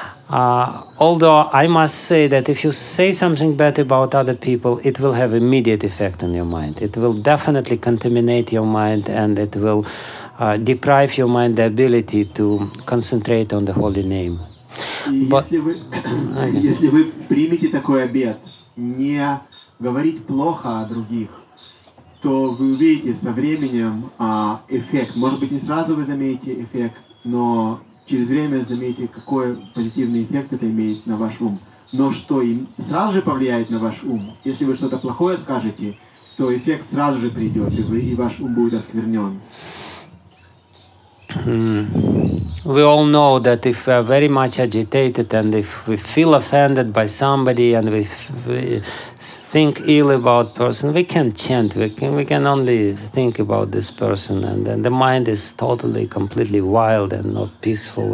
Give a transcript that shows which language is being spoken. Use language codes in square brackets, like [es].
[en] Although I must say that if you say something bad about other people, it will have immediate effect on your mind. It will definitely contaminate your mind, and it will deprive your mind the ability to concentrate on the holy name. [ru] Если вы примете такой обет, не говорить плохо о других, то вы увидите со временем эффект. Может быть, не сразу вы заметите эффект, но через время заметите, какой позитивный эффект это имеет на ваш ум. Но что им сразу же повлияет на ваш ум, если вы что-то плохое скажете, то эффект сразу же придет, и ваш ум будет осквернен. [en] We all know that if we are very much agitated and if we feel offended by somebody and we think ill about person, we can't chant. We can only think about this person, and then the mind is totally, completely wild and not peaceful.